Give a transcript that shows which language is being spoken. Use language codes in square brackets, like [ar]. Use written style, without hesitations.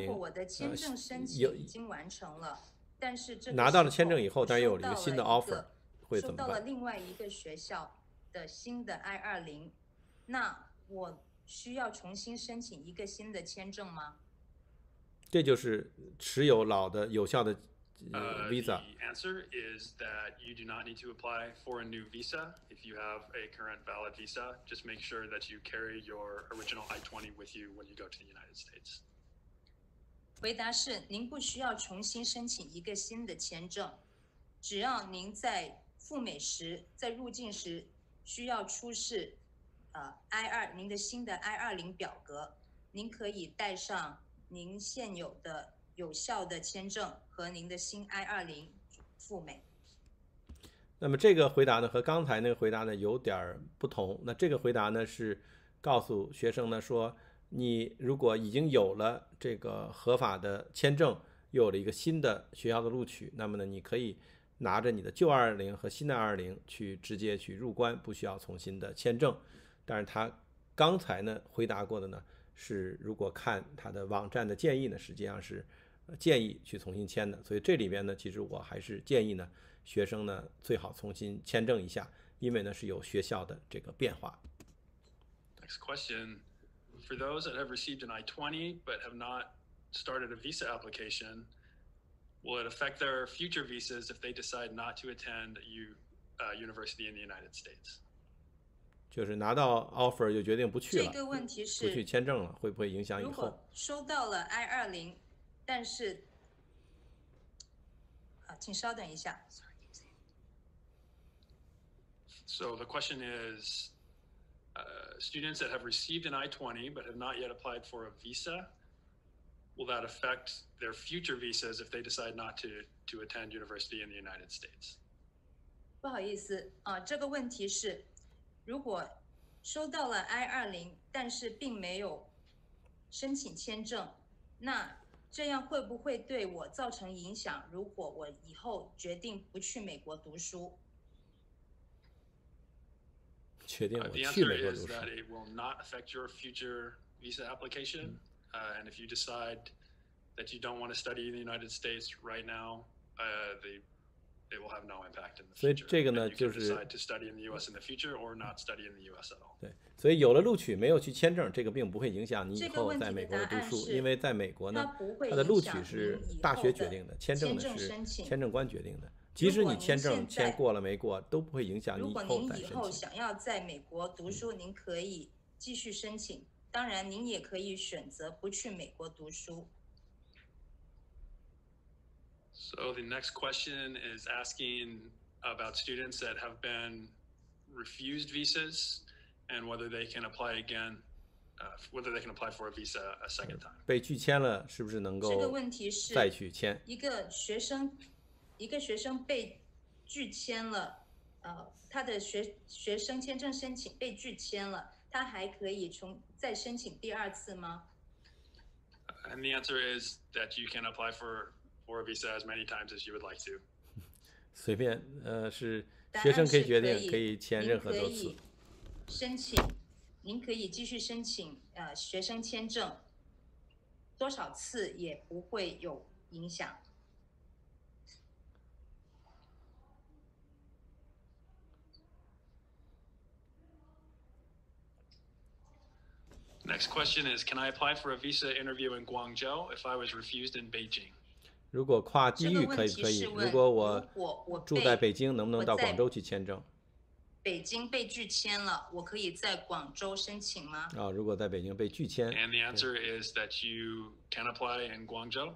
[zh] 如果我的签证申请已经完成了，但是这拿到了签证以后，但又有了一个新的 offer， 会怎么办？收到了另外一个学校的新的 I-20， 那我需要重新申请一个新的签证吗？这就是持有老的有效的visa。 [en] The answer is that you do not need to apply for a new visa if you have a current valid visa. Just make sure that you carry your original I-20 with you when you go to the United States. [zh] 回答是，您不需要重新申请一个新的签证，只要您在赴美时，在入境时需要出示您的新的 I-20 表格，您可以带上您现有的有效的签证和您的新 I-20 赴美。那么这个回答呢，和刚才那个回答呢有点不同。那这个回答呢是告诉学生呢说，你如果已经有了这个合法的签证，又有了一个新的学校的录取，那么呢你可以拿着你的旧 I-20 和新的 I-20 去直接去入关，不需要重新的签证。但是他刚才呢回答过的呢，是如果看他的网站的建议呢，实际上是建议去重新签的。所以这里边呢，其实我还是建议呢，学生呢最好重新签证一下，因为呢是有学校的这个变化。 [en] Next question. For those that have received an I-20 but have not started a visa application, will it affect their future visas if they decide not to attend university in the United States? [zh] 就是拿到 offer 就决定不去了，这个问题是不去签证了，会不会影响以后？如果收到了 I-20， 但是，请稍等一下。 [en] So the question is, students that have received an I-20 but have not yet applied for a visa, will that affect their future visas if they decide not to attend university in the United States? [zh] 不好意思，这个问题是，如果收到了 I-20 但是并没有申请签证，那这样会不会对我造成影响，如果我以后决定不去美国读书？确定我去美国读书。 [en] The answer is that it will not affect your future visa application. And if you decide that you don't want to study in the United States right now, it will have no impact in the future. [zh] 所以这个呢，就是 [en] decide to study in the U.S. in the future or not study in the U.S. at all. [zh] 对，所以有了录取，没有去签证，这个并不会影响你以后在美国的读书，因为在美国呢，它的录取是大学决定的，签证呢是签证官决定的。即使你签证签过了没过，都不会影响你以后再申请。如果您以后想要在美国读书，您可以继续申请。当然，您也可以选择不去美国读书。 [en] So the next question is asking about students that have been refused visas and whether they can apply again, whether they can apply for a visa a second time. [zh] 被拒签了，是不是能够再去签？这个问题是一个学生被拒签了，他的学生签证申请被拒签了，他还可以再申请第二次吗？ [en] And the answer is that you can apply for a visa as many times as you would like to. [zh] 随便，是学生可以决定可以签任何多次。您可以继续申请学生签证，多少次也不会有影响。 Next question is, can I apply for a visa interview in Guangzhou if I was refused in Beijing? 如果跨地域可以，可以。如果我住在北京，能不能到广州去签证？北京被拒签了，我可以在广州申请吗？如果在北京被拒签。 [en] And the answer is that you can apply in Guangzhou.